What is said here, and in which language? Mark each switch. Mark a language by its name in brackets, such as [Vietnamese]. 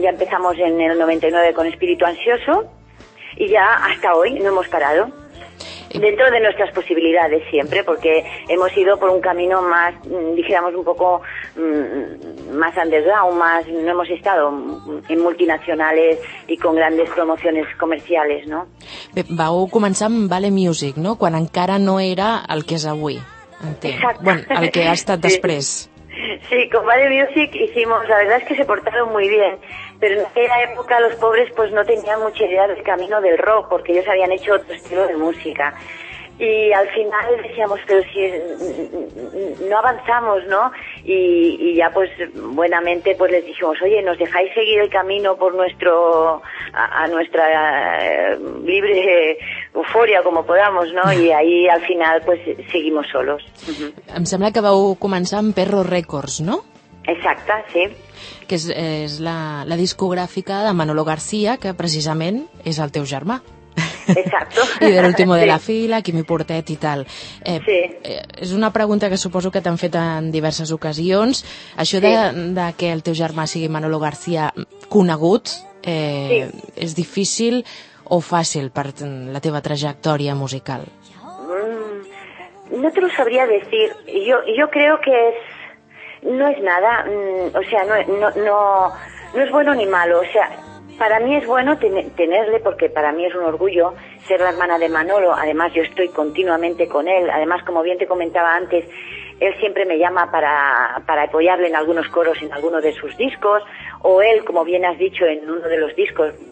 [Spanish] Ya empezamos en el 99 con Espíritu Ansioso y ya hasta hoy no hemos parado. Dentro de nuestras posibilidades siempre, porque hemos ido por un camino más, dijéramos, un poco más underground, más, no hemos estado en multinacionales y con grandes promociones comerciales, ¿no? [Catalan] Bé, vau començar amb Vale Music, no?, quan encara no era el que és avui, entenc. Exacte. Bueno, el que ha estat després. [Spanish] Sí, con Vale Music hicimos, la verdad es que se portaron muy bien, pero en aquella época los pobres pues no tenían mucha idea del camino del rock, porque ellos habían hecho otro estilo de música. Y al final decíamos, pero si es, no avanzamos, ¿no? Y ya pues buenamente pues les dijimos, oye, ¿nos dejáis seguir el camino por nuestro a nuestra libre euforia, como podamos, ¿no? Y ahí al final pues seguimos solos. Uh-huh. [Catalan] Em sembla que vau començar amb Perro Records, ¿no? Exacte, sí. Que és la discogràfica de Manolo García, que precisament és el teu germà. [Spanish] Exacto. [Catalan] I de l'último de la fila, Quimi Portet i tal. És una pregunta que suposo que t'han fet en diverses ocasions. Això de que el teu germà sigui Manolo García conegut, és difícil o fàcil per la teva trajectòria musical? [Spanish] No te lo sabría decir. Yo creo que no es nada, o sea, no es bueno ni malo, o sea, para mí es bueno tenerle, porque para mí es un orgullo ser la hermana de Manolo. Además, yo estoy continuamente con él. Además, como bien te comentaba antes, él siempre me llama para apoyarle en algunos coros, en alguno de sus discos, o él, como bien has dicho, en uno de los discos.